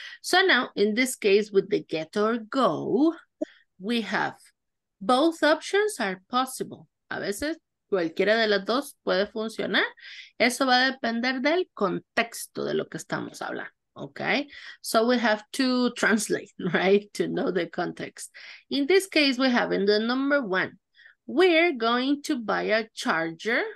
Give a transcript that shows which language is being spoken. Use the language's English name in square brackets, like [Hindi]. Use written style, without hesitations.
[English] So now, in this case, with the get or go, we have both options are possible. [Spanish] A veces, cualquiera de las dos puede funcionar. Eso va a depender del contexto de lo que estamos hablando, okay? [English] So we have to translate, right? To know the context. In this case, we have in the number one, we're going to buy a charger.